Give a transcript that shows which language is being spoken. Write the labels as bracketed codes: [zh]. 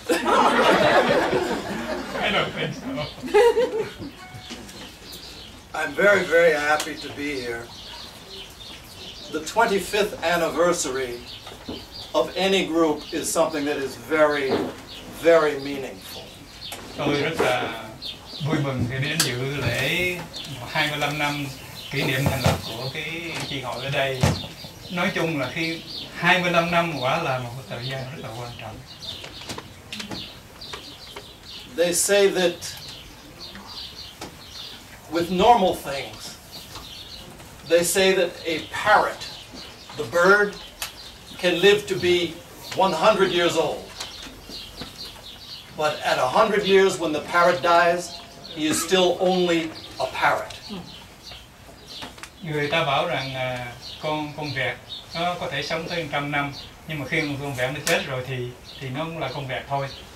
[en] I don't think so. I'm very, very happy to be here the 25th anniversary of any group is something that is very, very meaningful. [vi] Tôi rất là vui mừng khi đến dự lễ 25 năm kỷ niệm thành lập của cái chi hội ở đây. Nói chung là khi 25 năm quả là một thời gian rất là quan trọng. [en] They say that with normal things, they say that a parrot, the bird, can live to be 100 years old. But at 100 years, when the parrot dies, he is still only a parrot. [vi] Người ta bảo rằng con vẹt nó có thể sống tới 100 năm, nhưng mà khi con vẹt nó chết rồi thì nó cũng là con vẹt thôi.